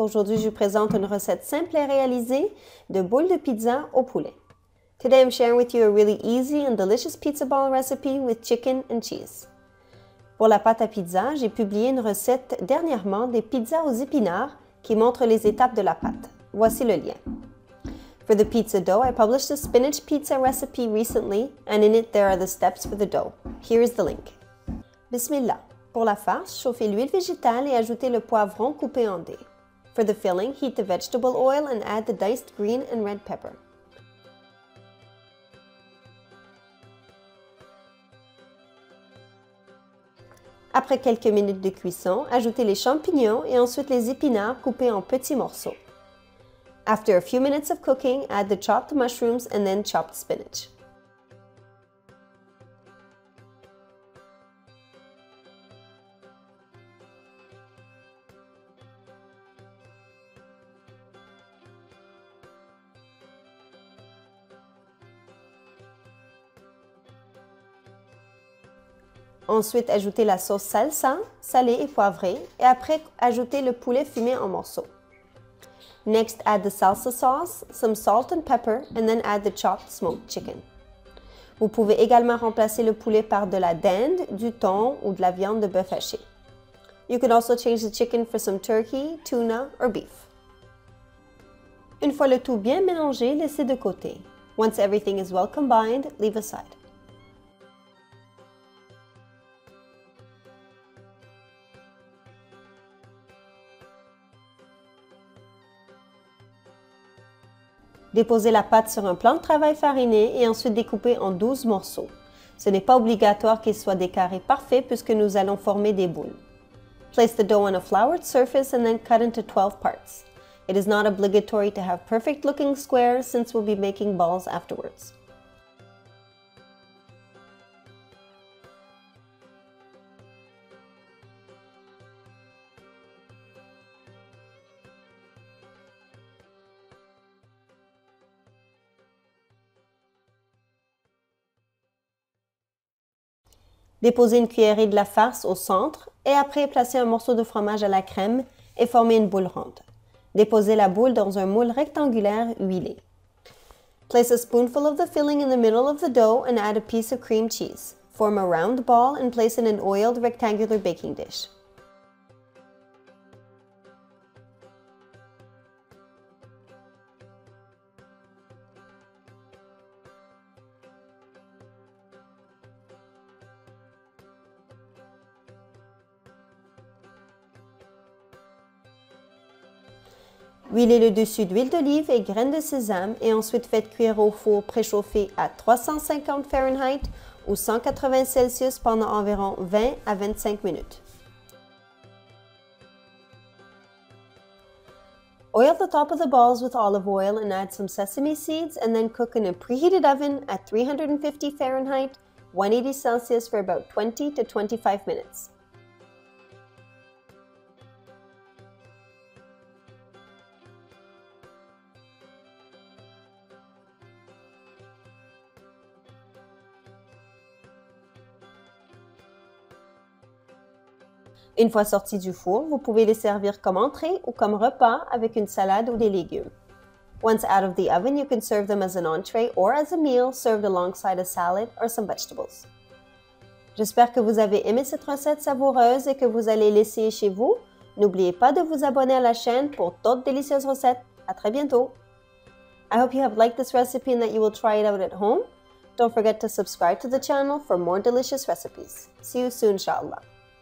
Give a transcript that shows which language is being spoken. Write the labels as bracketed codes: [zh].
[fr] Aujourd'hui, je vous présente une recette simple à réaliser de boules de pizza au poulet. [en] Today, I'm sharing with you a really easy and delicious pizza ball recipe with chicken and cheese. [fr] Pour la pâte à pizza, j'ai publié une recette dernièrement des pizzas aux épinards qui montre les étapes de la pâte. Voici le lien. [en] For the pizza dough, I published a spinach pizza recipe recently and in it, there are the steps for the dough. Here is the link. Bismillah. [fr] Pour la farce, chauffez l'huile végétale et ajoutez le poivron coupé en dés. [en] For the filling, heat the vegetable oil and add the diced green and red pepper. [fr] Après quelques minutes de cuisson, ajoutez les champignons et ensuite les épinards coupés en petits morceaux. [en] After a few minutes of cooking, add the chopped mushrooms and then chopped spinach. [fr] Ensuite, ajoutez la sauce salsa, salée et poivrée, et après, ajoutez le poulet fumé en morceaux. [en] Next, add the salsa sauce, some salt and pepper, and then add the chopped smoked chicken. [fr] Vous pouvez également remplacer le poulet par de la dinde, du thon ou de la viande de bœuf haché. [en] You can also change the chicken for some turkey, tuna, or beef. [fr] Une fois le tout bien mélangé, laissez de côté. [en] Once everything is well combined, leave aside. [fr] Déposez la pâte sur un plan de travail fariné et ensuite découpez en 12 morceaux. Ce n'est pas obligatoire qu'ils soient des carrés parfaits puisque nous allons former des boules. [en] Place the dough on a floured surface and then cut into 12 parts. It is not obligatory to have perfect looking squares since we'll be making balls afterwards. [fr] Déposez une cuillerée de la farce au centre et après, placez un morceau de fromage à la crème et formez une boule ronde. Déposez la boule dans un moule rectangulaire huilé. [en] Place a spoonful of the filling in the middle of the dough and add a piece of cream cheese. Form a round ball and place in an oiled rectangular baking dish. [fr] Huilez le dessus d'huile d'olive et graines de sésame et ensuite faites cuire au four préchauffé à 350 Fahrenheit ou 180 Celsius pendant environ 20 à 25 minutes. [en] Oil the top of the balls with olive oil and add some sesame seeds and then cook in a preheated oven at 350 Fahrenheit, 180 Celsius for about 20 to 25 minutes. [fr] Une fois sorti du four, vous pouvez les servir comme entrée ou comme repas avec une salade ou des légumes. [en] Once out of the oven, you can serve them as an entree or as a meal served alongside a salad or some vegetables. [fr] J'espère que vous avez aimé cette recette savoureuse et que vous allez l'essayer chez vous. N'oubliez pas de vous abonner à la chaîne pour d'autres délicieuses recettes. À très bientôt! [en] I hope you have liked this recipe and that you will try it out at home. Don't forget to subscribe to the channel for more delicious recipes. See you soon, inshallah.